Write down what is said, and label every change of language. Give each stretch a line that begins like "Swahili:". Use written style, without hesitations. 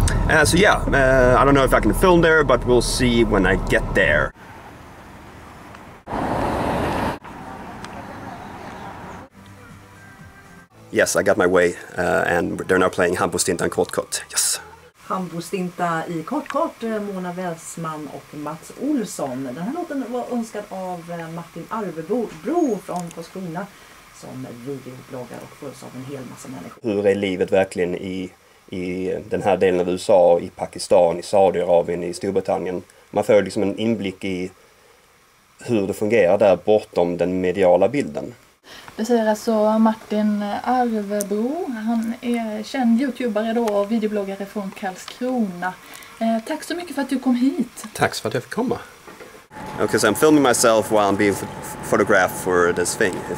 English: I don't know if I can film there, but we'll see when I get there. Yes, I got my way, and they're now playing Hampostinta and Kortkort. Yes.
Swedish: Hampostinta i Kortkort, Mona Välsman och Mats Olsson. Den här låten var önskad av Martin Arvebro från Karlskrona, som videobloggar och följs av en hel massa människor. Hur är livet verkligen i den här delen av USA, i Pakistan, i Saudiarabien, i Storbritannien? Man får liksom en inblick i hur det fungerar där bortom den mediala bilden. Det säger alltså Martin Arvebro. Han är känd youtubare då och videobloggare från Karlskrona. Tack så mycket för att du kom hit. Tack för att jag fick komma.
English: Okay, so I'm filming myself while I'm being photographed for this thing.